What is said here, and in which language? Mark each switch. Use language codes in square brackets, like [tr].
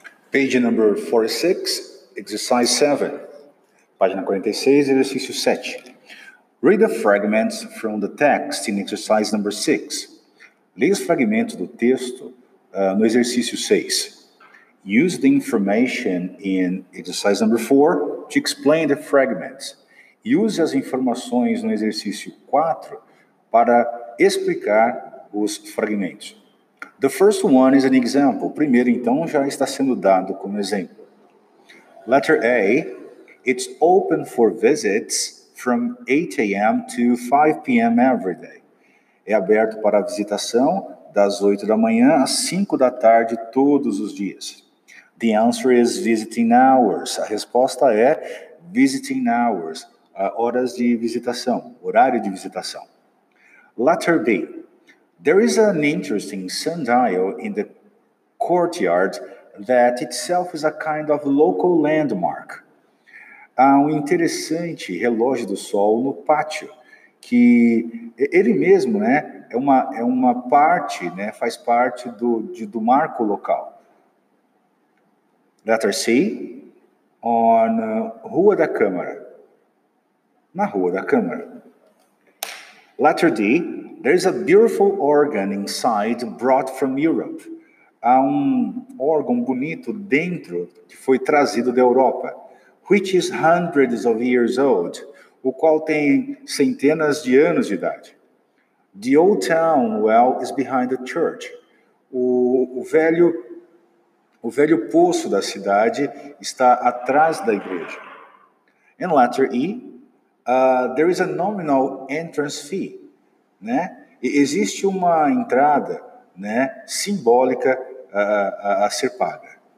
[en] Page number 46, exercise 7. [pt] Página 46, exercício 7. [en] Read the fragments from the text in exercise number 6. [pt] Leia os fragmentos do texto no exercício 6. [en] Use the information in exercise number 4 to explain the fragments. [pt] Use as informações no exercício 4 para explicar os fragmentos. [en] The first one is an example. [pt] O primeiro, então, já está sendo dado como exemplo. [en] Letter A. It's open for visits from 8 a.m. to 5 p.m. every day. [pt] É aberto para visitação das 8 da manhã às 5 da tarde todos os dias. [en] The answer is visiting hours. [pt] A resposta é visiting hours, horas de visitação, horário de visitação. [en] Letter B. There is an interesting sundial in the courtyard that itself is a kind of local landmark. [pt] Há um interessante relógio do sol no pátio, que ele mesmo, né, é uma parte, né, faz parte do marco local. [en] Letter C, on Rua da Câmara. Na Rua da Câmara. Letter D, there is a beautiful organ inside brought from Europe. [pt] Há um órgão bonito dentro que foi trazido da Europa, [en] which is hundreds of years old, [pt] o qual tem centenas de anos de idade. [en] The old town well is behind the church. [pt] O velho poço da cidade está atrás da igreja. [en] And letter E, there is a nominal entrance fee, né? [pt] E existe uma entrada, né, simbólica a ser paga.